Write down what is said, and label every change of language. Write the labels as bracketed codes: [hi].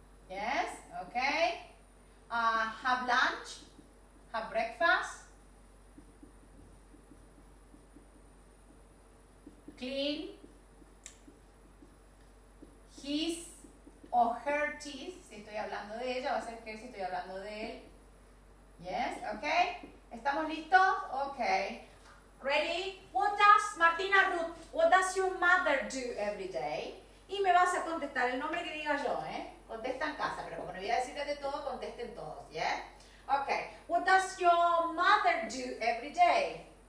[en] Yes, okay. Have lunch, have breakfast, clean his or her teeth, [es] si estoy hablando de ella, va a ser que si estoy hablando de él. [en] Yes, okay. [es] ¿Estamos listos? [en] Okay. Ready? What does Martina Ruth, what does your mother do every day? [es] Y me vas a contestar el nombre que diga yo, ¿eh? Contesta en casa, pero como no voy a decirte de todo, contesten todos, ¿yeah? [en] Okay, what does your mother do every day?